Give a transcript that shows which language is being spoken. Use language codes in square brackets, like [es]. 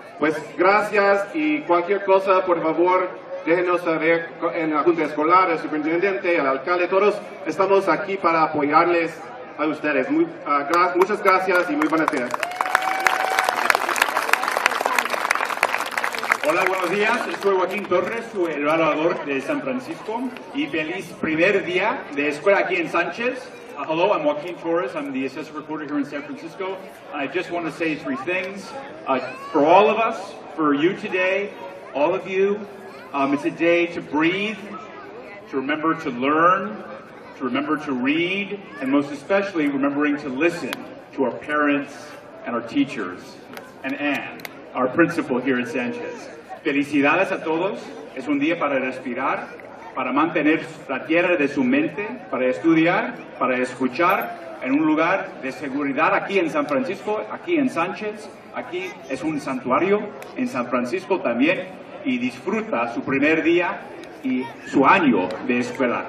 [es] Pues gracias y cualquier cosa, por favor, déjenos saber en la Junta Escolar, el superintendente, el alcalde, todos estamos aquí para apoyarles a ustedes. Muchas gracias y muy buenos días. Hola, buenos días. Soy Joaquín Torres, el evaluador de San Francisco y feliz primer día de escuela aquí en Sánchez. [en] Hello, I'm Joaquín Torres. I'm the assessor recorder here in San Francisco. I just want to say three things for all of us, for you today, all of you. It's a day to breathe, to remember to learn, to remember to read, and most especially remembering to listen to our parents and our teachers, and Anne, our principal here at Sanchez. [es] Felicidades a todos. Es un día para respirar, para mantener la tierra de su mente, para estudiar, para escuchar, en un lugar de seguridad aquí en San Francisco, aquí en Sanchez. Aquí es un santuario en San Francisco también. Y disfruta su primer día y su año de escuela.